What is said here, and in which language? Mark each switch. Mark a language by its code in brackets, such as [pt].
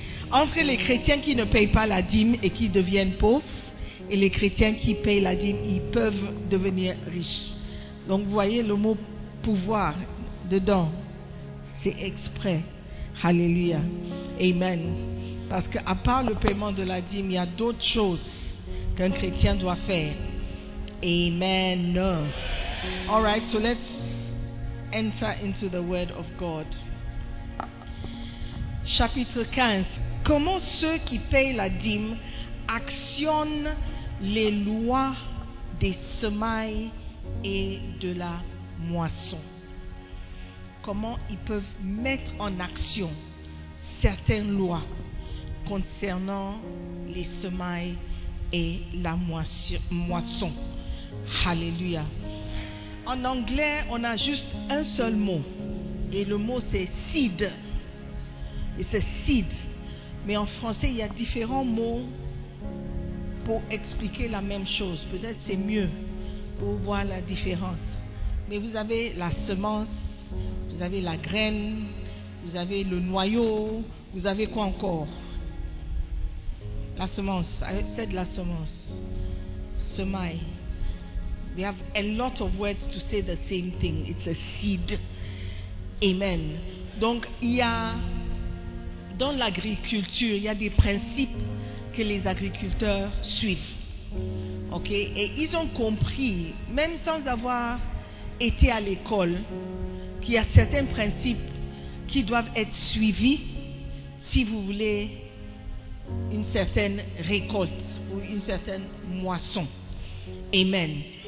[fr] Entre les chrétiens qui ne payent pas la dîme et qui deviennent pauvres, et les chrétiens qui payent la dîme, ils peuvent devenir riches. Donc, vous voyez le mot « pouvoir » dedans, c'est exprès. Alléluia. Amen. Parce qu'à part le paiement de la dîme, il y a d'autres choses qu'un chrétien doit faire. Amen. [en] All right, so let's enter into the word of God. [fr] Chapitre 15. Comment ceux qui payent la dîme actionnent les lois des semailles et de la moisson? Comment ils peuvent mettre en action certaines lois concernant les semailles et la moisson? Alléluia. En anglais, on a juste un seul mot. Et le mot, c'est seed. Et c'est seed. Mais en français, il y a différents mots pour expliquer la même chose. Peut-être c'est mieux pour voir la différence. Mais vous avez la semence, vous avez la graine, vous avez le noyau, vous avez quoi encore? La semence, c'est de la semence. Semaille. [en] We have a lot of words to say the same thing. It's a seed. Amen. [fr] Donc, il y a, dans l'agriculture, il y a des principes que les agriculteurs suivent. Ok, et ils ont compris, même sans avoir été à l'école, qu'il y a certains principes qui doivent être suivis si vous voulez une certaine récolte ou une certaine moisson. Amen.